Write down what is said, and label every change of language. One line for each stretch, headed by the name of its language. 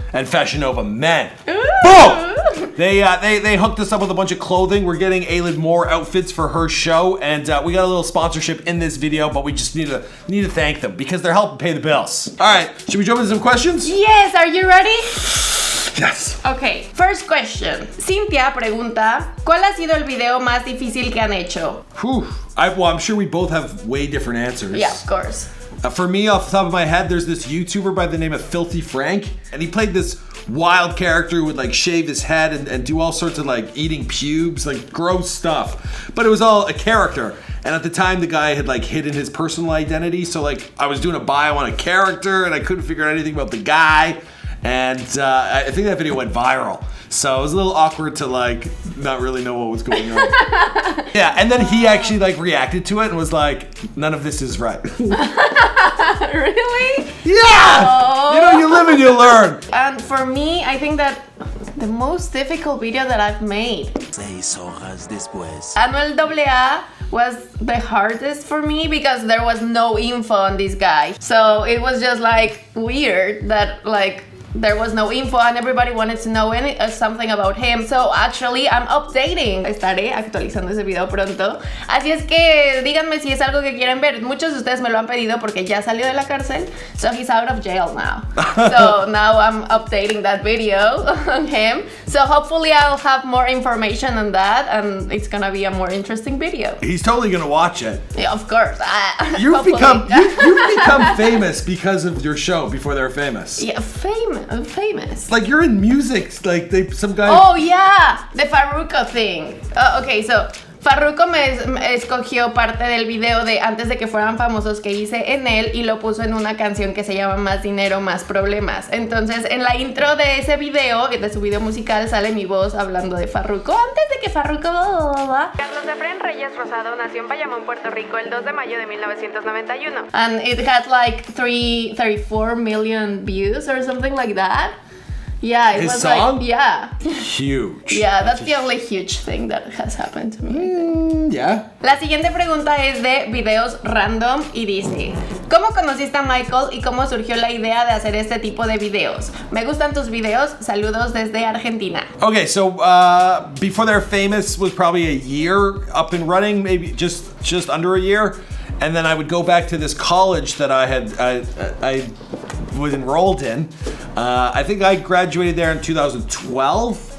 English: And Fashion Nova men. Ooh. Boom! They hooked us up with a bunch of clothing. We're getting Ailed more outfits for her show. And we got a little sponsorship in this video, but we just need to thank them because they're helping pay the bills. All right, should we jump into some questions? Yes, are you ready? Yes. Okay, first question.
Spanish: Cynthia pregunta, ¿cuál ha sido el video más difícil que han hecho?
English: Whew. I'm sure we both have way different answers. Yeah, of course. For me, off the top of my head, there's this YouTuber by the name of Filthy Frank, and he played this wild character who would like shave his head and do all sorts of like eating pubes, like gross stuff. But it was all a character. And at the time, the guy had like hidden his personal identity, so like I was doing a bio on a character and I couldn't figure out anything about the guy. And I think that video went viral. So it was a little awkward to like not really know what was going on. Yeah, and then he actually like reacted to it and was like, none of this is right. Really? Yeah! Oh. You know, you live and you learn. And for me, I think that the most difficult video that I've made,
Spanish: 6 horas después,
English: Anuel AA was the hardest for me because there was no info on this guy. So it was just like weird that like, there was no info and everybody wanted to know something about him. So actually I'm updating.
Spanish: Estaré actualizando ese video pronto. Así es que díganme si es algo que quieren ver. Muchos de ustedes me lo han pedido porque ya salió de la cárcel.
English: So he's out of jail now. So now I'm updating that video on him. So hopefully I'll have more information on that and it's gonna be a more interesting video. He's totally gonna watch it. Yeah, of course. You've become famous because of your show Before They Were Famous. Yeah, famous. Like you're in music, like they some guy. Oh yeah, the Farruko thing.
Spanish: Okay, so Farruko me escogió parte del video de Antes de que fueran famosos que hice en él y lo puso en una canción que se llama Más dinero, más problemas. Entonces, en la intro de ese video, de su video musical, sale mi voz hablando de Farruko antes de que Farruko... Carlos Efrén Reyes Rosado nació en Bayamón, Puerto Rico, el 2 de mayo de 1991.
English: And it had like 34 million views or something like that. Yeah, it his was song? Like, yeah. Huge. Yeah, that's the only huge thing that has happened to me. Yeah.
Spanish: La siguiente pregunta es de Videos Random y dice, ¿cómo conociste a Michael y cómo surgió la idea de hacer este tipo de videos? Me gustan tus videos. Saludos desde Argentina.
English: Okay, so Before They Were Famous was probably a year up and running, maybe just under a year. And then I would go back to this college that I had, I was enrolled in. I think I graduated there in 2012.